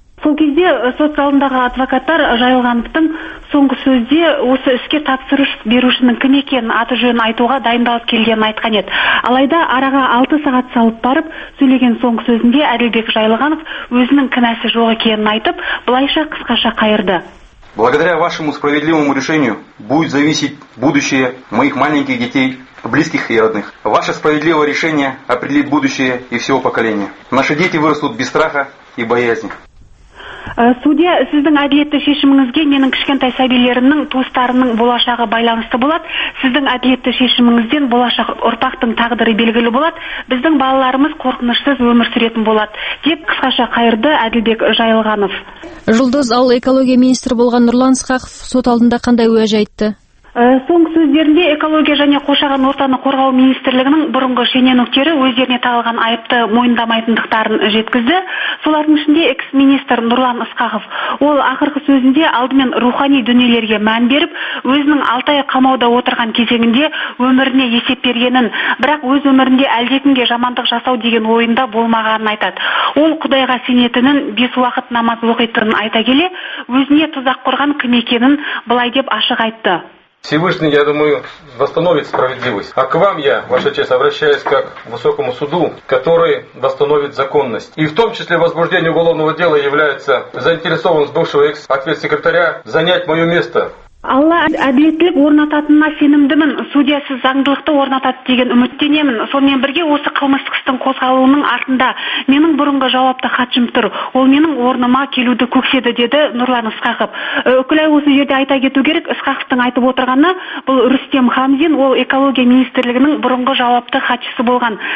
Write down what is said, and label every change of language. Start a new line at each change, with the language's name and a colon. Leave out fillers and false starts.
Kazakh: Сол кезде сот залындағы адвокаттар Жайылғановтың соңғы сөзде осы іске тапсырыс берушінің кім екенін аты жөнін айтуға дайындалып келгенін айтқан еді. Алайда араға 6 сағат салып барып сөйлеген соңғы сөзінде Әділбек Жайылғанов өзінің кінәсі жоқ екенін айтып, былайша қысқаша қайырды.
Russian: Благодаря вашему справедливому решению будет зависеть будущее моих маленьких детей, близких и родных. Ваше справедливое решение определит будущее и всего поколения. Наши дети вырастут без страха и боязни.
Kazakh: Судья, сіздің әділетті шешіміңізге менің кішкентай сәбилерімнің туыстарының болашағы байланысты болады. Сіздің әділетті шешіміңізден болашақ ұрпақтың тағдыры белгілі болады. Біздің балаларымыз қорқынышсыз өмір сүретін болады. Деп қысқаша қайырды Әділбек Жайылғанов. Жұлдыз, ал экология министрі болған Нұрлан Сқақов сот алдында қандай уәж айтты? Соңғы сөздерінде экология және қоршаған ортаны қорғау министрлігінің бұрынғы шенеуніктері өздеріне тағылған айыпты мойындамайтындықтарын жеткізді. Солардың ішінде экс-министр Нұрлан Ысқақов. Ол ақырғы сөзінде алдымен рухани дүниелерге мән беріп, өзінің 6 ай қамауда отырған кезеңінде өміріне есеп бергенін, бірақ өз өмірінде әлдекімге жамандық жасау деген ойында болмағанын айтады. Ол Құдайға сенетінін, 5 уақыт намаз оқитынын айта келе, өзіне тұзақ құрған кім екенін былай деп ашық айтты.
Russian: Всевышний, я думаю, восстановит справедливость. А к вам я, Ваша честь, обращаюсь как к высокому суду, который восстановит законность. И в том числе возбуждение уголовного дела является заинтересованность бывшего экс-ответ-секретаря занять мое место.
Kazakh: Алла әділеттілік орнататынына сенімдімін. Судья, сіз заңдылықты орнатады деген үміттенемін. Сонымен бірге осы қылмыстық істің қозғалуының артында менің бұрынғы жауапты хатшым тұр. Ол менің орныма келуді көкседі, деді Нұрлан Ысқақов. Үкілай, осы жерде айта кету керек, Ысқақовтың айтып отырғаны, бұл Рүстем Хамзин, ол экология министрлігінің бұрынғы жауапты хатшысы болған.